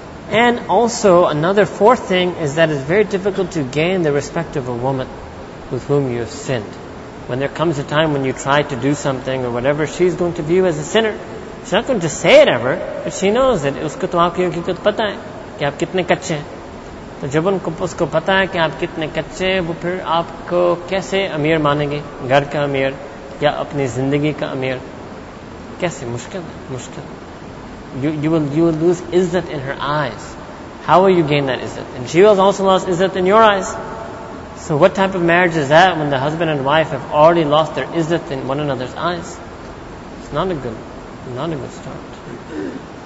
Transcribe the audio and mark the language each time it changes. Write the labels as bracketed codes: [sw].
[en] And also, another fourth thing is that it's very difficult to gain the respect of a woman with whom you have sinned. When there comes a time when you try to do something or whatever, she's going to view as a sinner. She's not going to say it ever, but she knows it. [hi] Usko to aapki yogi ko pata hai ki aap kitne kacche hain. तो जब उनको उसको पता है कि आप कितने कच्चे हैं, वो फिर आपको कैसे अमीर मानेंगे, घर का अमीर या अपनी जिंदगी का अमीर, कैसे? मुश्किल. [en] You will lose izzat in her eyes. How will you gain that izzat? And she will also lose izzat in your eyes. So what type of marriage is that when the husband and wife have already lost their izzat in one another's eyes? It's not a good start.